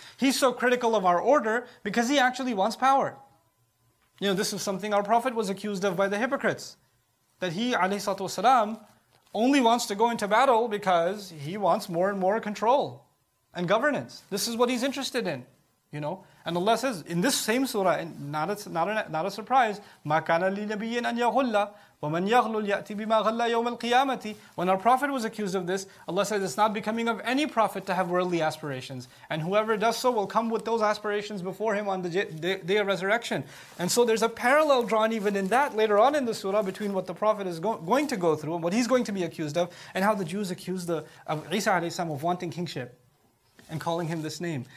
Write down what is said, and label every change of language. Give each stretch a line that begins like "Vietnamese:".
English: He's so critical of our order because he actually wants power. You know, this is something our Prophet was accused of by the hypocrites. That he, alayhi salatu wasalam, only wants to go into battle because he wants more and more control and governance. This is what he's interested in, you know. And Allah says, in this same surah, not a surprise,
Arabic: مَا كَانَ لِلْنَبِيِّنْ أَنْ يَغُلَّ وَمَنْ يَغْلُلْ يَأْتِ بِمَا غَلَّ يَوْمَ الْقِيَامَةِ.
English: When our Prophet was accused of this, Allah says, it's not becoming of any Prophet to have worldly aspirations. And whoever does so will come with those aspirations before him on the day of resurrection. And so there's a parallel drawn even in that later on in the surah between what the Prophet is going to go through and what he's going to be accused of, and how the Jews accused of Isa alayhi salam of wanting kingship and calling him this name.